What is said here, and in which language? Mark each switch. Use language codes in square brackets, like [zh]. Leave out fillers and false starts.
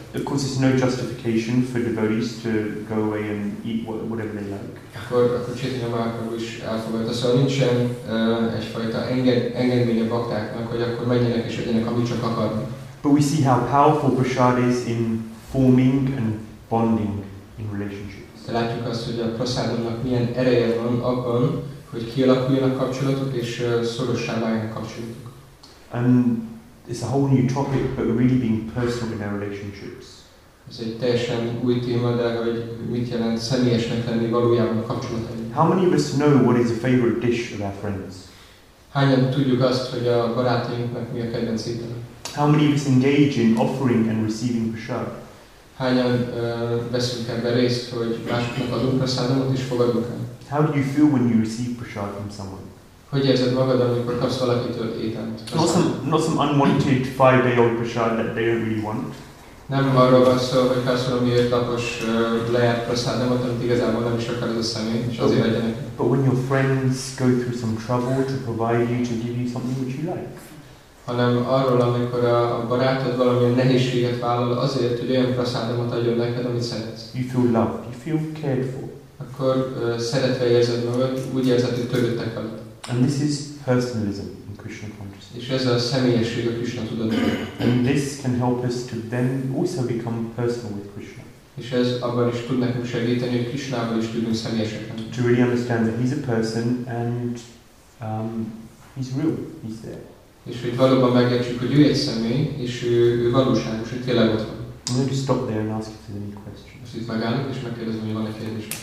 [en] Of course, there's no justification for devotees to go away and eat whatever they like. [hu] Akkor Chaitanya Mahaprabhu is elfogadta. Szóval nincsen egyfajta engedmény a baktáknak, hogy akkor menjenek és legyenek, amit csak akarnak. [en] But we see how powerful prasad is in forming and bonding in relationships. [hu] látjuk azt, hogy a prasádának milyen ereje van abban, hogy kialakuljanak kapcsolatok és szorossá váljanak kapcsolatok. [en] And it's a whole new topic, but really being personal in our relationships. [hu] Ez egy teljesen új téma, de hogy mit jelent személyesnek lenni valójában a kapcsolatban. [en] How many of us know what is a favorite dish of our friends? [hu] Hányan tudjuk azt, hogy a barátainknak mi a kedvenc étele? [en] How many of us engage in offering and receiving prasad? [hu] Hányan veszünk ebben részt, hogy másoknak adunk prasádot és fogadunk el? [en] How do you feel when you receive prasad from someone? [hu] Hogy érzed magad, amikor kapsz valakitől ételt? [en] Not some unwanted 5-day-old prasad that they don't really want. [hu] Nem arról van szó, hogy kapsz valami érdekes lejárt prasádot, amit igazából nem is akar az a személy, és azért legyenek. [en] But when your friends go through some trouble to provide you, to give you something which you like. [hu] Hanem arról, amikor a barátod valamilyen nehézséget vállal azért, hogy olyan prasádot adjon neked, amit szeretsz. [en] You feel loved, you feel cared for. [hu] Akkor szeretve érzed magad, úgy érzed, hogy törődtek veled. [en] And this is personalism in Krishna consciousness. [hu] És ez a személyesség a Krishna tudatban. [en] And this can help us to then also become personal with Krishna. [hu] És ez abban is tud nekünk segíteni, hogy Krishnával is tudunk személyesek lenni. [en] To really understand that he's a person and he's real, he's there. [hu] És hogy valóban megértsük, hogy ő egy személy, és ő valóságos, hogy tényleg ott van. [en] I'm going to stop there and ask if there's any questions. [hu] Most itt megállunk, és megkérdezem, hogy van-e kérdés.